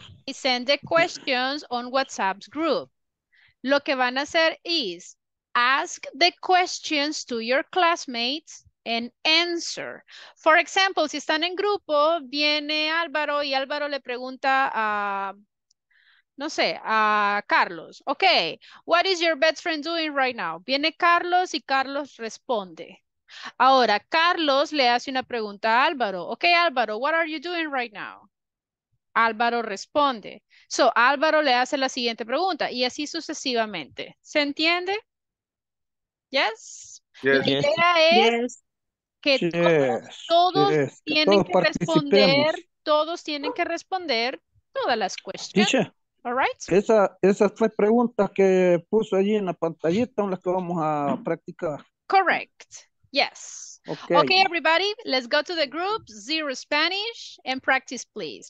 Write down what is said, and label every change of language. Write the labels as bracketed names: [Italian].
[English] Y send the questions on WhatsApp group. [Spanish] Lo que van a hacer es [English] ask the questions to your classmates and answer. [Spanish] For example, si están en grupo, viene Álvaro y Álvaro le pregunta a, no sé, a Carlos. [English] Okay, what is your best friend doing right now? [Spanish] Viene Carlos y Carlos responde. Ahora, Carlos le hace una pregunta a Álvaro. [English] Okay, Álvaro, what are you doing right now? [Spanish] Álvaro responde. So, Álvaro le hace la siguiente pregunta y así sucesivamente. ¿Se entiende? [English] Yes. Yes. [Spanish] La idea es que todos tienen que responder, todas las questions. [English] Teacher, all right. [Spanish] Esas tres preguntas que puso allí en la pantallita son las que vamos a practicar. [English] Correct. Yes. Okay. Okay, everybody, let's go to the group, Zero Spanish, and practice, please.